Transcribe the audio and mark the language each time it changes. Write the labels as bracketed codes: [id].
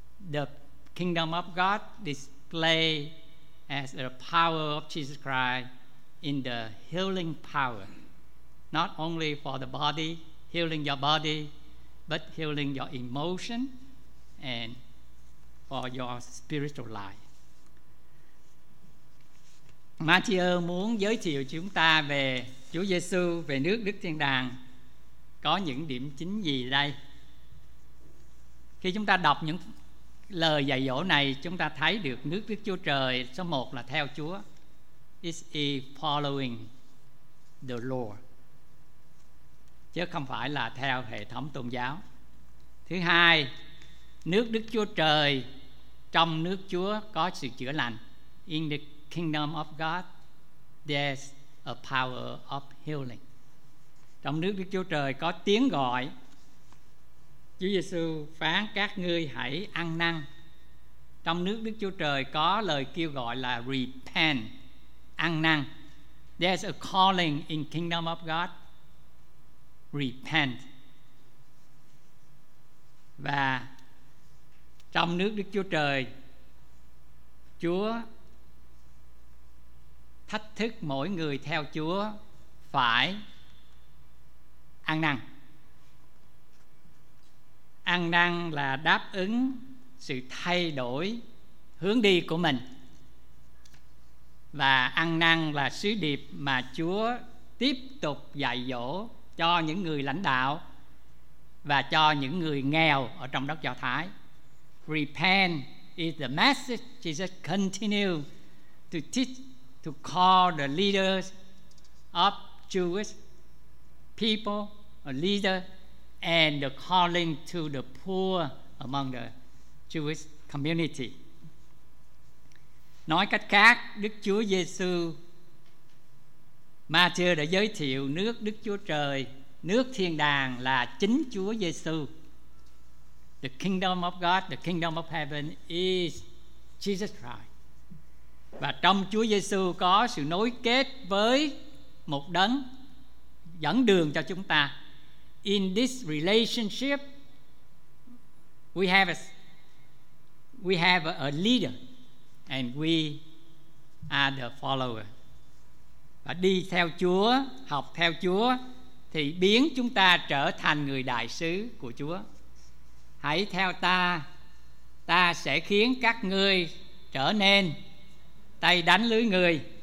[en] The kingdom of God display as the power of Jesus Christ in the healing power, not only for the body, healing your body, but healing your emotion and for your spiritual life. [vi] Matthew muốn giới thiệu chúng ta về Chúa Giê-xu, về nước Đức Thiên Đàng có những điểm chính gì đây. Khi chúng ta đọc những lời dạy dỗ này, chúng ta thấy được nước Đức Chúa Trời số 1 là theo Chúa. [en] It is following the Lord, [vi] chứ không phải là theo hệ thống tôn giáo. Thứ hai, nước Đức Chúa Trời, trong nước Chúa có sự chữa lành. [en] In the kingdom of God, there's a power of healing. [vi] Trong nước Đức Chúa Trời có tiếng gọi. Chúa Giê-xu phán các ngươi hãy ăn năn. Trong nước Đức Chúa Trời có lời kêu gọi là repent, ăn năn. [en] There's a calling in kingdom of God, repent. [vi] Và trong nước Đức Chúa Trời Chúa thách thức mỗi người theo Chúa phải ăn năn. Ăn năn là đáp ứng sự thay đổi hướng đi của mình, và ăn năn là sứ điệp mà Chúa tiếp tục dạy dỗ cho những người lãnh đạo và cho những người nghèo ở trong đất Do Thái. [en] Repent is the message Jesus continues to teach to call the leaders of Jewish people, a leader, and the calling to the poor among the Jewish community. [vi] Nói cách khác, Đức Chúa Giêsu Ma-thi-ơ đã giới thiệu nước Đức Chúa Trời, nước thiên đàng là chính Chúa Giêsu. [en] The kingdom of God, the kingdom of heaven is Jesus Christ. [vi] Và trong Chúa Giêsu có sự nối kết với một đấng dẫn đường cho chúng ta. [en] In this relationship we have a leader and we are the follower. [vi] Và đi theo Chúa, học theo Chúa thì biến chúng ta trở thành người đại sứ của Chúa. Hãy theo ta, ta sẽ khiến các ngươi trở nên tay đánh lưới người.